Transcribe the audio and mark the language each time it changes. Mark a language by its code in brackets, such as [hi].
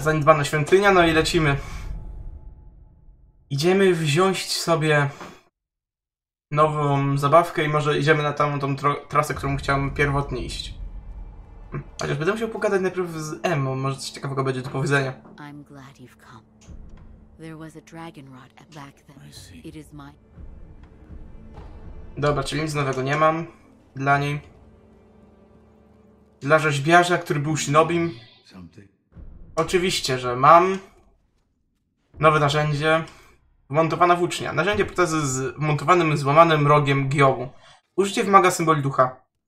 [pl] Zaniedbana świątynia, no i lecimy. Idziemy wziąć sobie nową zabawkę i może idziemy na tą trasę, którą chciałem pierwotnie iść. Chociaż będę musiał pogadać najpierw z Emo, może coś ciekawego będzie do powiedzenia. [en] I'm glad you've come. There was a dragon rod back then. I see. It is my... [pl] Dobra, czyli nic nowego nie mam dla niej. Dla rzeźbiarza, który był Shinobim. Oczywiście, że mam. Nowe narzędzie. Wmontowana włócznia. Narzędzie protezy z wmontowanym, złamanym rogiem Giołu. Użycie wymaga symboli ducha.